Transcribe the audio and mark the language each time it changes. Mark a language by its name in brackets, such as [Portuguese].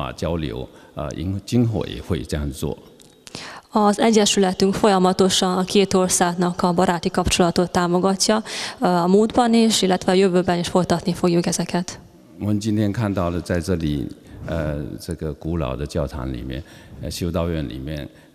[Chinese] 我们跟做的两个，也一直过去一直在做两国之间的友谊文化交流，今后也会这样做。 [Hungarian] Az egyesületünk folyamatosan a két országnak a baráti kapcsolatot támogatja a múltban is, illetve a jövőben is folytatni fogjuk ezeket. [Chinese] 我们今天看到了在这里，这个古老的教堂里面，修道院里面。